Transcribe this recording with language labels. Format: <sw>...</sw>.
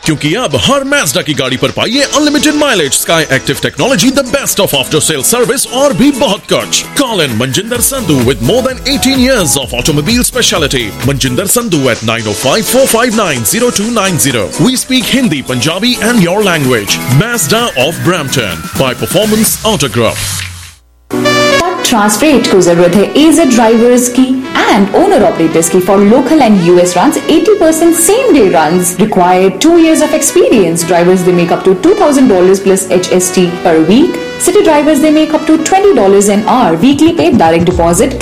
<hi>क्योंकि अब हर मैजडा की गाड़ी पर पाइए unlimited mileage,</hi> <en>Skyactiv technology, the best of after sale service</en> <hi>और भी बहुत कुछ.</hi> <en>Call in Manjinder Sandhu with more than 18 years of automobile speciality. Manjinder Sandhu at 9054590290. We speak Hindi, Punjabi and your language. Mazda of Brampton by Performance Autograph.</en> <hi>Transfer को जरूरत है as drivers की and owner operators की</hi> <en>For local and US runs. 80% same day runs required. 2 years of experience. Drivers they make up to $2,000 plus HST per week. City drivers they make up to $20 an hour. Weekly paid direct deposit.</en>